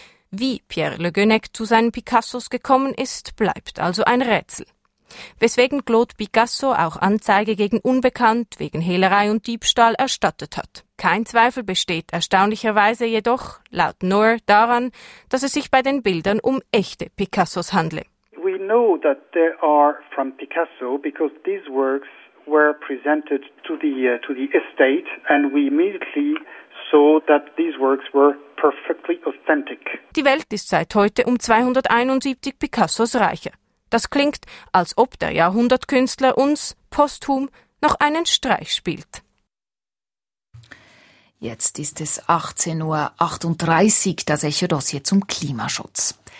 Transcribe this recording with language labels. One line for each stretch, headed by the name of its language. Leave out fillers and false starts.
German: Wie Pierre Le Gonec zu seinen Picassos gekommen ist, bleibt also ein Rätsel. Weswegen Claude Picasso auch Anzeige gegen Unbekannt wegen Hehlerei und Diebstahl erstattet hat. Kein Zweifel besteht erstaunlicherweise jedoch, laut Noir, daran, dass es sich bei den Bildern um echte Picassos handle.
English: We know that they are from Picasso because these works were presented to the estate and we immediately saw that these works were perfectly authentic.
German: Die Welt ist seit heute um 271 Picassos reicher. Das klingt, als ob der Jahrhundertkünstler uns posthum noch einen Streich spielt. Jetzt ist es 18.38 Uhr, das Echo-Dossier zum Klimaschutz.